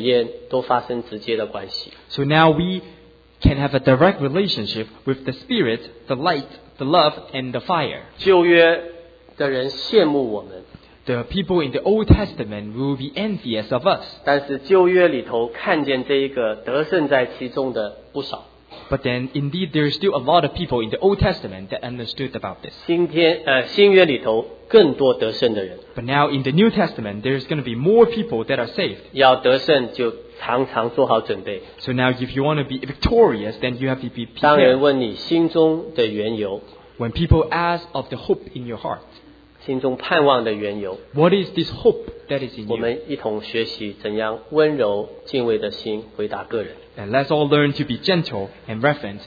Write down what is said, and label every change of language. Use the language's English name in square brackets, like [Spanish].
[Chinese] 所以今天我们跟这个神的灵、神的光、神的爱、神的火焰都发生直接的关系。 [English] So now we can have a direct relationship with the Spirit, the light, the love, and the fire. [Chinese] 旧约的人羡慕我们。 [English] The people in the Old Testament will be envious of us. [Chinese] 但是旧约里头看见这一个得胜在其中的不少。 [English] But then, indeed, there are still a lot of people in the Old Testament that understood about this. [Chinese] 新约里头更多得胜的人。 [English] But now, in the New Testament, there is going to be more people that are saved. [Chinese] 要得胜就常常做好准备。 [English] So now, if you want to be victorious, then you have to be prepared. [Chinese] 当人问你心中的缘由。 [English] When people ask of the hope in your heart, [Chinese] 心中盼望的缘由。 [English] What is this hope that is in you? [Chinese] 我们一同学习怎样温柔敬畏的心回答个人。 [English] And let's all learn to be gentle and reverent.